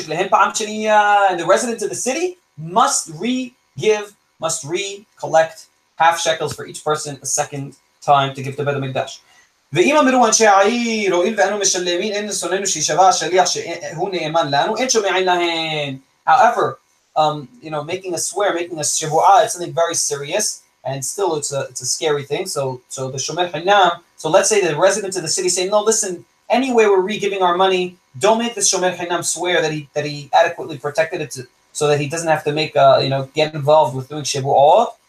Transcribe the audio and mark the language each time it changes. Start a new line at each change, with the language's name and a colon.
English: And the residents of the city must recollect half shekels for each person a second time to give to Beit HaMikdash.
Hebrew: ואם אמרו אנשי העיר, הואיל ואנו משלמים, אין לסוננו שישבע השליח שהוא נאמן לנו, אין שומעים להם.
English: However, you know, making a swear, making a shivu'ah, it's something very serious, and still it's a scary thing. So the shomer chinam, so let's say the residents of the city say, no, listen, anyway, we're re-giving our money, don't make the shomer chinam swear that he adequately protected it so that he doesn't have to make, you know, get involved with doing shivu'ah.